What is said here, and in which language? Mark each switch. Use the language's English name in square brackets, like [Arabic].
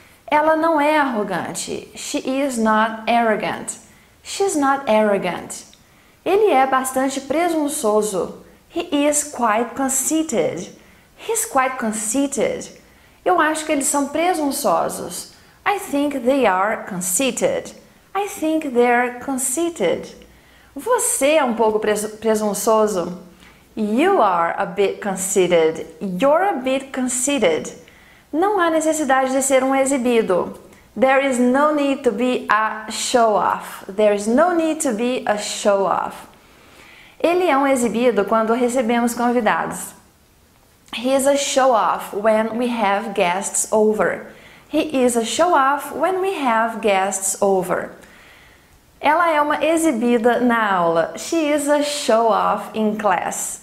[Portuguese] Ela não é arrogante. [English] She is not arrogant. She's not arrogant. [Portuguese] Ele é bastante presunçoso. [English] He is quite conceited. He's quite conceited. [Portuguese] Eu acho que eles são presunçosos. [English] I think they are conceited. I think they're conceited. [Portuguese] Você é um pouco presunçoso. [English] You are a bit conceited. You're a bit conceited. [Portuguese] Não há necessidade de ser um exibido. [English] There is no need to be a show-off. There is no need to be a show-off. [Portuguese] Ele é um exibido quando recebemos convidados. [English] He is a show-off when we have guests over. He is a show-off when we have guests over. [Portuguese] Ela é uma exibida na aula. [English] She is a show-off in class.